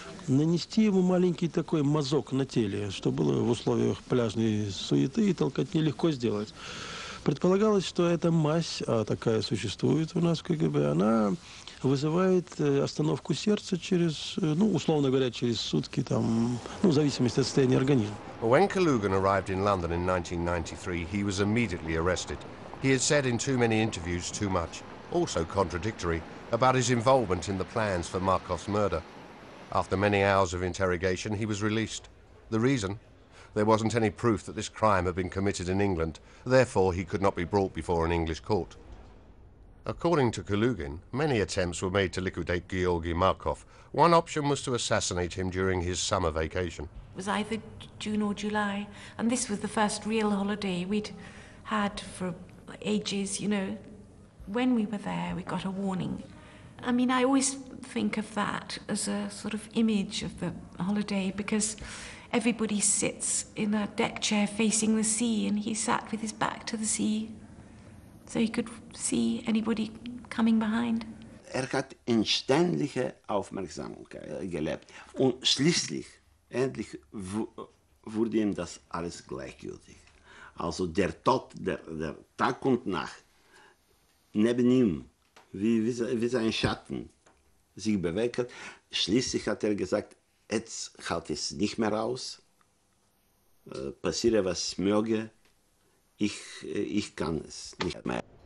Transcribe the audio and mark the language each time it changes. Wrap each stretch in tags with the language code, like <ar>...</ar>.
<ru>Нанести ему маленький такой мазок на теле, что было в условиях пляжной суеты и толкотни легко сделать. Предполагалось, что эта мазь, а такая существует у нас в КГБ, она вызывает остановку сердца через, ну, условно говоря, через сутки, там, ну, в зависимости от состояния организма.</ru> <en>When Kalugin arrived in London in 1993, he was immediately arrested. He had said in too many interviews too much, also contradictory, about his involvement in the plans for Markov's murder. After many hours of interrogation, he was released. The reason? There wasn't any proof that this crime had been committed in England. Therefore, he could not be brought before an English court. According to Kalugin, many attempts were made to liquidate Georgi Markov. One option was to assassinate him during his summer vacation. It was either June or July, and this was the first real holiday we'd had for ages, you know. When we were there, we got a warning. I mean, I always think of that as a sort of image of the holiday, because everybody sits in a deck chair facing the sea, and he sat with his back to the sea, so he could see anybody coming behind.</en> <de>Er hat in ständige Aufmerksamkeit gelebt. Und schließlich, endlich, wurde ihm das alles gleichgültig. Also der Tod, der Tag und Nacht, neben ihm, wie sein Schatten sich bewegt hat, schließlich hat er gesagt, jetzt halt es nicht mehr aus, passiere was möge, ich kann es nicht mehr.</de>